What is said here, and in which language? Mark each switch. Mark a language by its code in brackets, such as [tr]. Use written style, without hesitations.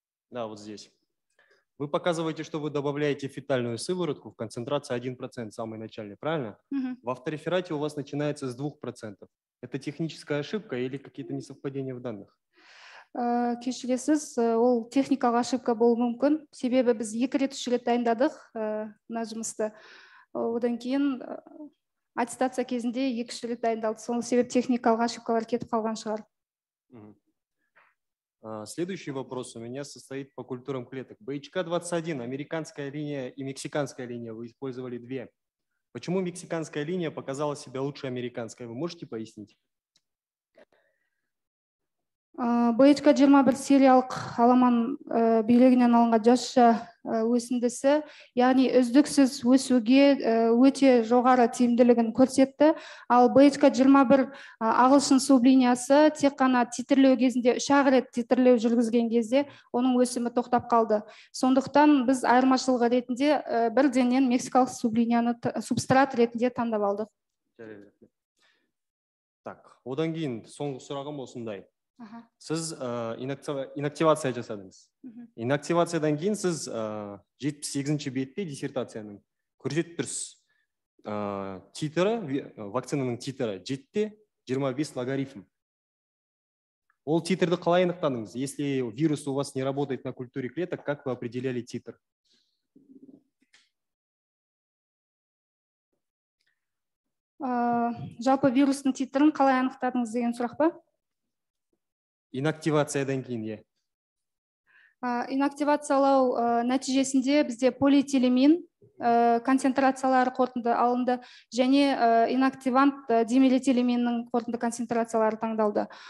[ru] Да, вот здесь. Вы показываете, что вы добавляете фетальную сыворотку в концентрации 1%, самый начальный, правильно? Угу. В автореферате у вас начинается с 2%. Это техническая ошибка или какие-то несовпадения в данных? [kk] Кешіресіз, ол техникалық ошибка болу мүмкін. Себебі біз екі рет, үш рет дайындадық на жұмысты. Одан кейін аттестация кезінде екі рет дайындалды. Сол себеп техникалық ошибкалар кетіп қалған шығар. [ru] Следующий вопрос у меня состоит по культурам клеток. БХК-21, американская линия и мексиканская линия, вы использовали две. Почему мексиканская линия показала себя лучше американской? Вы можете пояснить? [kk] БХК-21 сериалық аламан белегінен алынға жасша өсіндісі, яғни үздіксіз өсуге өте жоғары тиімділігін көрсетті, ал БХК-21 ағылшын сублиниясы тек қана титрлеу кезінде, үш-ақ рет титрлеу жүргізген кезде оның өсімі тоқтап қалды. Сондықтан біз айырмашылығы ретінде бірденен мексикалық сублинияны субстрат ретінде таңдап алдық. Так, одан кейін соңғы сұрағым осындай. Сіз инактивация жасадыңыз. Инактивациядан кейін сіз 78-ші бетте диссертацияның көрсетіп тұрсыз. Титрі, вакцинаның титрі 7-25 логарифм. Ол титрді қалай анықтадыңыз? [ru] Если вирус у вас не работает на культуре клеток, как вы определяли титр? [kk] Жалпы вирусның титрін қалай анықтадыңыз деген сұрақ па? Инактивациядан кейін, иә. Инактивациялау нәтижесінде бізде полиэтилемин концентрациялары қорытынды алынды, және инактивант димелетилеминнің қорытынды концентрациялары таңдалды.